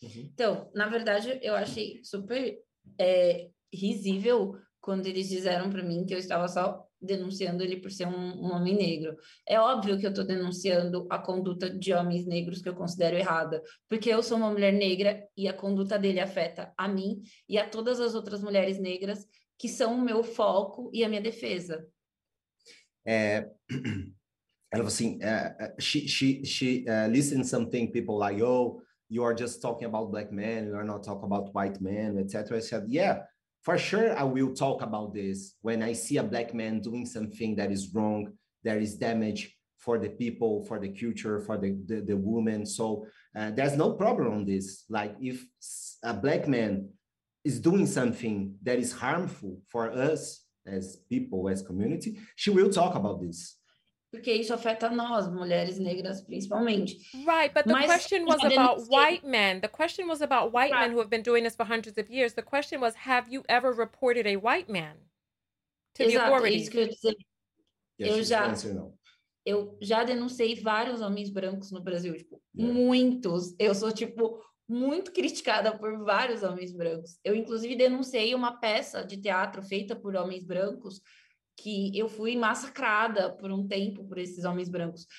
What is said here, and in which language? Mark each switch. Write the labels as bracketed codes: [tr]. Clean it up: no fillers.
[pt] Então, na verdade, eu achei super risível quando eles disseram para mim que eu estava só denunciando ele por ser um homem negro. É óbvio que eu estou denunciando a conduta de homens negros que eu considero errada, porque eu sou uma mulher negra e a conduta dele afeta a mim e a todas as outras mulheres negras que são o meu foco e a minha defesa. Ela falou assim, [en] she listened something people like, oh, you are just talking about Black men, you are not talking about white men, etc. I said, yeah, for sure I will talk about this when I see a Black man doing something that is wrong, that is damage for the people, for the culture, for the woman. So there's no problem on this. Like if a Black man is doing something that is harmful for us as people, as community, she will talk about this. [pt] Porque isso afeta nós, mulheres negras, principalmente. [en] Right, but the [pt] Mas, [en] question was about [pt] sei. [en] White men. The question was about white men who have been doing this for hundreds of years. The question was, have you ever reported a white man to [pt] Exato. [en] The authorities? [pt] Isso que eu ia dizer. [en] Yes, [pt] eu já... Eu já denunciei vários homens brancos no Brasil, tipo, muitos. Eu sou, tipo, muito criticada por vários homens brancos. Eu, inclusive, denunciei uma peça de teatro feita por homens brancos que eu fui massacrada por um tempo por esses homens brancos.